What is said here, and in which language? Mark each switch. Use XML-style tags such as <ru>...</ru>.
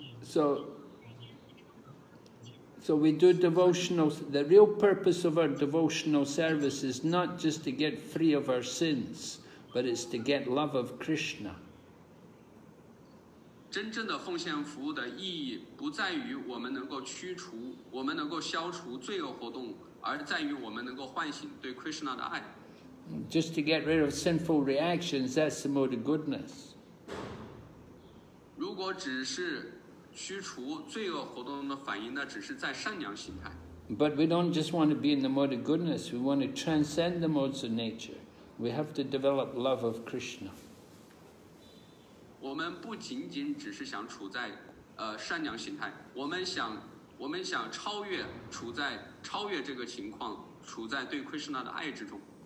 <en>So we do devotional, the real purpose of our devotional service is not just to get free of our sins, but it's to get love of Krishna.</en> <zh>真正的奉献服务的意义不在于我们能够驱除，我们能够消除罪恶活动，而在于我们能够唤醒对 Krishna 的爱。</zh> <en>Just to get rid of sinful reactions, that's the mode of goodness.</en> <zh>如果只是驱除罪恶活动的反应，那只是在善良心态。</zh> <en>But we don't just want to be in the mode of goodness. We want to transcend the modes of nature. We have to develop love of Krishna.</en> <zh>我们不仅仅只是想处在善良心态，我们想超越这个情况，处在对 Krishna 的爱之中。</zh>